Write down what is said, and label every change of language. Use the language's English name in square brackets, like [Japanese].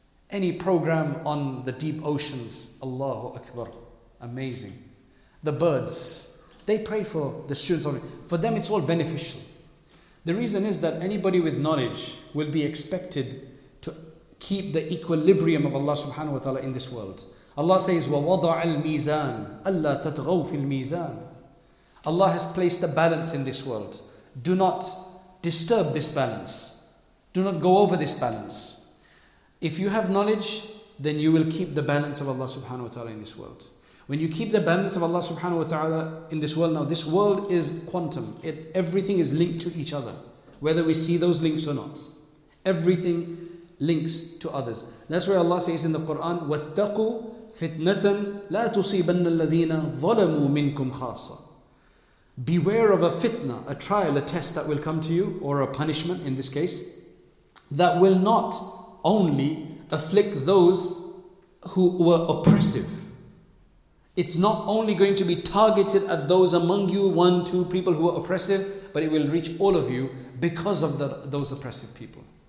[English] Any program on the deep oceans, Allahu Akbar, amazing. The birds, they pray for the students of knowledge. For them it's all beneficial. The reason is that anybody with knowledge will be expected to keep the equilibrium of Allah subhanahu wa ta'ala in this world. Allah says, [Arabic] وَوَضَعَ الْمِيزَانِ أَلَّا تَتْغَوْ فِي الْمِيزَانِ. [English] Allah has placed a balance in this world. Do not disturb this balance. Do not go over this balance. If you have knowledge, then you will keep the balance of Allah subhanahu wa ta'ala in this world. When you keep the balance of Allah subhanahu wa ta'ala in this world, now this world is quantum. Everything is linked to each other, whether we see those links or not. Everything links to others. That's where Allah says in the Quran, [Arabic] وَاتَّقُوا فِتْنَةً لَا تُصِيبَنَّ الَّذِينَ ظَلَمُوا مِنْكُمْ خَاصًا. [English] Beware of a fitna, a trial, a test that will come to you, or a punishment in this case, that will not only afflict those who were oppressive. It's not only going to be targeted at those among you, one, two people who are oppressive, but it will reach all of you because of those oppressive people.